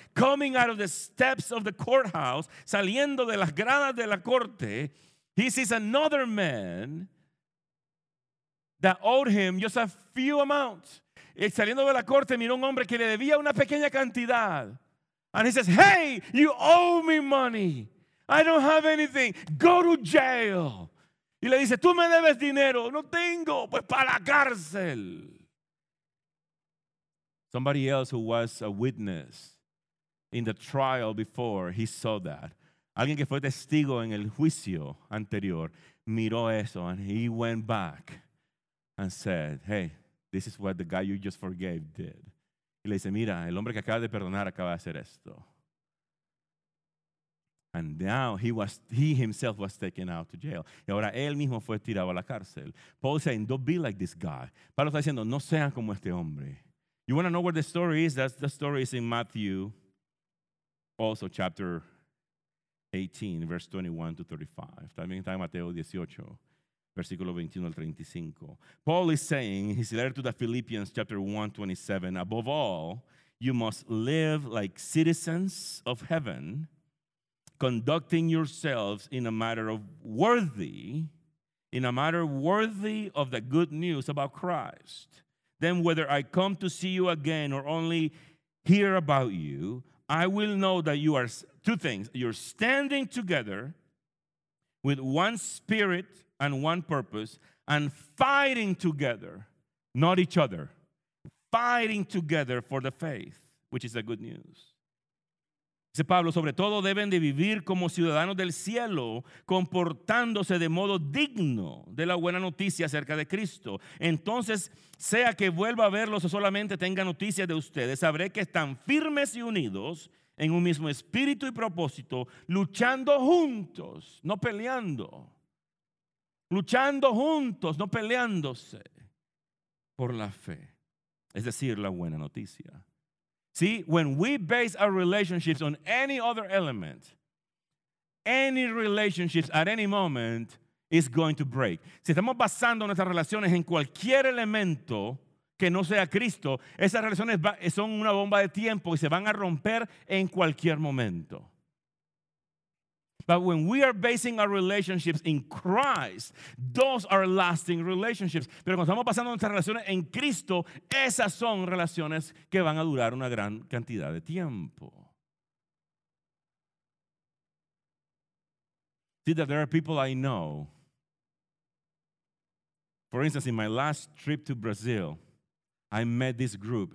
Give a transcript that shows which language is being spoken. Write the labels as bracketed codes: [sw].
[en] Coming out of the steps of the courthouse, [es] saliendo de las gradas de la corte, [en] he sees another man that owed him just a few amounts. [es] Y saliendo de la corte, miró un hombre que le debía una pequeña cantidad. [en] And he says, hey, you owe me money. I don't have anything. Go to jail. [es] Y le dice, tú me debes dinero. No tengo, pues para la cárcel. [en] Somebody else who was a witness in the trial before, he saw that. [es] Alguien que fue testigo en el juicio anterior, miró eso, [en] and he went back and said, hey, this is what the guy you just forgave did. [es] Y le dice, mira, el hombre que acaba de perdonar acaba de hacer esto. [en] And now he himself was taken out to jail. [es] Y ahora él mismo fue tirado a la cárcel. [en] Paul saying, don't be like this guy. [es] Pablo está diciendo, no sean como este hombre. [en] You want to know where the story is? That's the story is in Matthew, also chapter 18, verse 21 to 35. [es] También está en Mateo 18, versículo 21 al 35. [en] Paul is saying, his letter to the Philippians, chapter 1, 27, above all, you must live like citizens of heaven, conducting yourselves in a matter worthy of the good news about Christ. Then whether I come to see you again or only hear about you, I will know that you are two things. You're standing together with one spirit and one purpose and fighting together, not each other, fighting together for the faith, which is the good news. [es] Dice Pablo, sobre todo deben de vivir como ciudadanos del cielo, comportándose de modo digno de la buena noticia acerca de Cristo. Entonces, sea que vuelva a verlos o solamente tenga noticias de ustedes, sabré que están firmes y unidos en un mismo espíritu y propósito, luchando juntos, no peleando. Luchando juntos, no peleándose por la fe, es decir, la buena noticia. [en] See, when we base our relationships on any other element, any relationships at any moment is going to break. [es] Si estamos basando nuestras relaciones en cualquier elemento que no sea Cristo, esas relaciones son una bomba de tiempo y se van a romper en cualquier momento. [en] But when we are basing our relationships in Christ, those are lasting relationships. [es] Pero cuando estamos basando nuestras relaciones en Cristo, esas son relaciones que van a durar una gran cantidad de tiempo. [en] See that there are people I know. For instance, in my last trip to Brazil, I met this group.